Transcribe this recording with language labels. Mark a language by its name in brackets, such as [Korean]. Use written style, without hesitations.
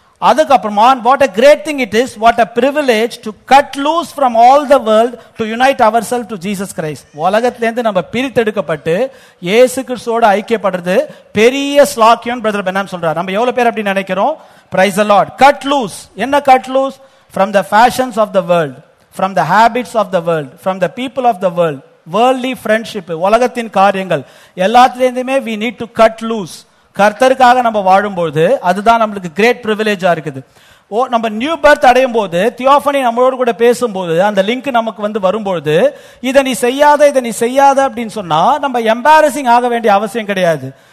[Tamil] அதுக்கப்புறமா, [English] what a great thing it is, what a privilege to cut loose from all the world to unite ourselves to Jesus Christ. [Tamil] உலகத்திலேருந்து நம்ம பிரித்தெடுக்கப்பட்டு இயேசு கிறிஸ்துவோடு ஐக்கியப்படுறது பெரிய சாக்கியம். Brother பெனாம் சொல்றார், நம்ம எவ்வளவு பேர் அப்படி நினைக்கிறோம்? [English] Praise the Lord. Cut loose. [Tamil] என்ன [English] cut loose? From the fashions of the world, from the habits of the world, from the people of the world. Worldly friendship, [Tamil] உலகத்தின் காரியங்கள் எல்லாத்திலேருந்துமே [English] we need to cut loose. [Tamil] கர்த்தருக்காக நம்ம வாழும்போது அதுதான் நம்மளுக்கு great பிரிவிலேஜா இருக்குது. நம்ம நியூ பர்த் அடையும் போது தியோபனி நம்மளோட கூட பேசும்போது அந்த லிங்க் நமக்கு வந்து வரும்போது, இதை நீ செய்யாத, இதை நீ செய்யாத அப்படின்னு சொன்னா நம்ம எம்பாரசிங் ஆக வேண்டிய அவசியம் கிடையாது.